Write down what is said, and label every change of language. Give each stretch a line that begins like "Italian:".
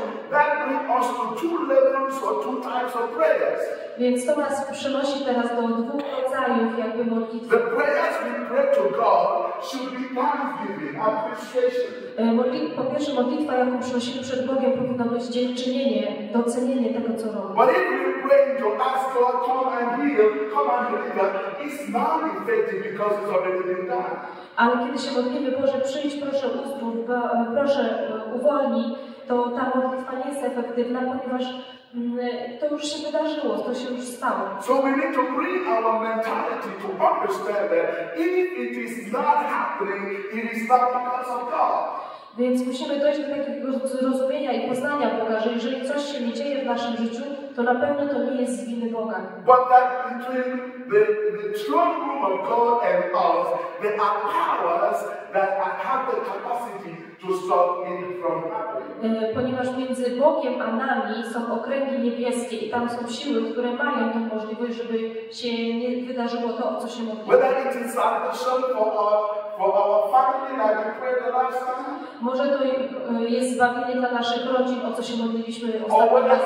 English: That brings us to two levels or two types of prayers.
Polish: Więc to nas przenosi teraz do dwóch rodzajów jakby modlitwy.
English: The prayers we pray to God should be thanksgiving, appreciation.
Polish: Po pierwsze, modlitwa, jaką przynosimy przed Bogiem, powinna być dziękczynienie, docenienie tego, co robi.
English: But if you pray to ask God, come and heal, come and deliver, it's not effective because it's already been done.
Polish: Ale kiedy się modlimy, Boże, przyjdź, proszę, uzdrów, proszę, uwolnij, to ta modlitwa nie jest efektywna, ponieważ to już się wydarzyło, to się już stało.
English: So we need to bring our mentality to understand that if it is not happening, it is not because of God.
Polish: Więc musimy dojść do takiego zrozumienia i poznania Boga, że jeżeli coś się nie dzieje w naszym życiu, to na pewno to nie jest z winy Boga.
English: But that between the throne room of God and us, there are powers that have the capacity to stop it from happening.
Polish: Ponieważ między Bogiem a nami są okręgi niebieskie i tam są siły, które mają tę możliwość, żeby się nie wydarzyło to, o co się modliło.
English: Whether it is salvation for our family, like we prayed the last time.
Polish: Może to jest zbawienie dla naszych rodzin, o co się modliliśmy ostatnio.